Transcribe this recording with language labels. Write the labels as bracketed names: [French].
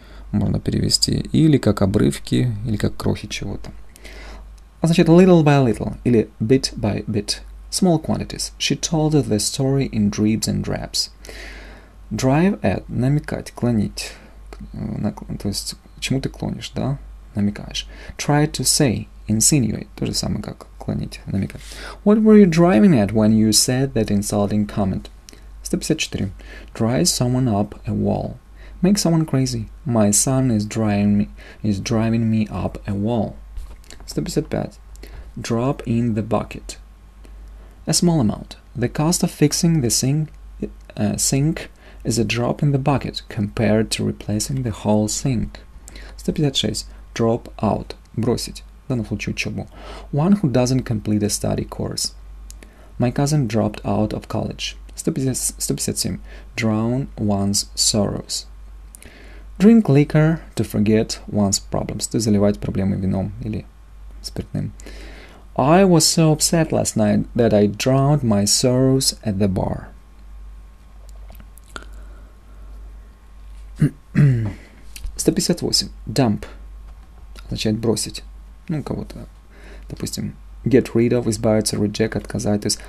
[Russian] Можно перевести или как обрывки, или как крохи чего-то. Означает [English] little by little [Russian] или [English] bit by bit. Small quantities. She told the story in dribs and drabs. [Russian] Drive at. Намекать, клонить. То есть, к чему ты клонишь, да? Намекаешь. [English] Try to say, insinuate. [Russian] То же самое, как клонить, намекать. [English] What were you driving at when you said that insulting comment? 154. Dry someone up a wall. Make someone crazy. My son is driving me up a wall. 155. Drop in the bucket. A small amount. The cost of fixing the sink is a drop in the bucket compared to replacing the whole sink. 156. Drop out. [Russian] Бросить. В данном случае учебу. [English] One who doesn't complete a study course. My cousin dropped out of college. 157. Drown one's sorrows. Drink liquor to forget one's problems. [Russian] То есть заливать проблемы вином или спиртным. [English] I was so upset last night that I drowned my sorrows at the bar. Dump. [Russian] Означает бросить. Ну, кого-то. Допустим, [English] get rid of, [Russian] избавиться, [English] reject, [Russian] отказать. То есть,